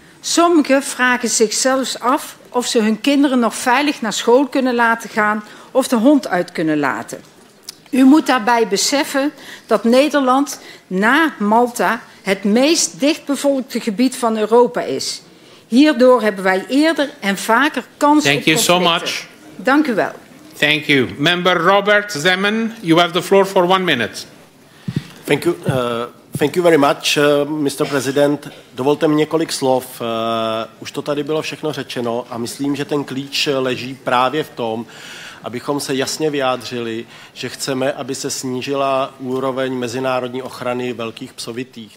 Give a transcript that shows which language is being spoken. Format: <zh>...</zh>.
<nl>Sommigen vragen zich zelfs af of ze hun kinderen nog veilig naar school kunnen laten gaan of de hond uit kunnen laten. U moet daarbij beseffen dat Nederland na Malta het meest dichtbevolkte gebied van Europa is. Hierdoor hebben wij eerder en vaker kans</nl> <en>Thank</en> <nl>op conflicten.</nl> <en>You so much.</en> <nl>Dank u wel.</nl> <en>Thank you. Member Robert Zemmen, you have the floor for 1 minute. Thank you. Thank you very much, Mr. President.</en> <cs>Dovolte mi několik slov. Už to tady bylo všechno řečeno a myslím, že ten klíč leží právě v tom, abychom se jasně vyjádřili, že chceme, aby se snížila úroveň mezinárodní ochrany velkých psovitých.</cs>